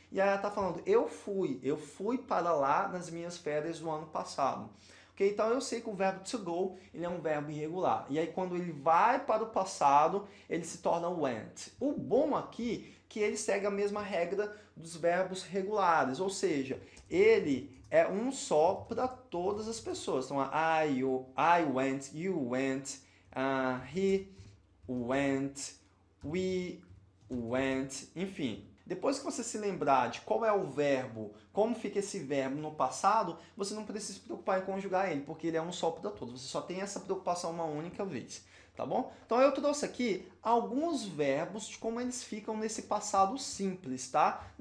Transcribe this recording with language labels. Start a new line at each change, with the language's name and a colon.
Portuguese: E aí ela está falando, eu fui para lá nas minhas férias do ano passado. Okay? Então eu sei que o verbo to go, ele é um verbo irregular. E aí quando ele vai para o passado, ele se torna went. O bom aqui, que ele segue a mesma regra dos verbos regulares. Ou seja, ele é um só para todas as pessoas.
English: Então, I went, you went, he went, we went, enfim.
Portuguese: Depois que você se lembrar de qual é o verbo, como fica esse verbo no passado, você não precisa se preocupar em conjugar ele, porque ele é um só para todos. Você só tem essa preocupação uma única vez, tá bom? Então eu trouxe aqui alguns verbos de como eles ficam nesse passado simples, tá?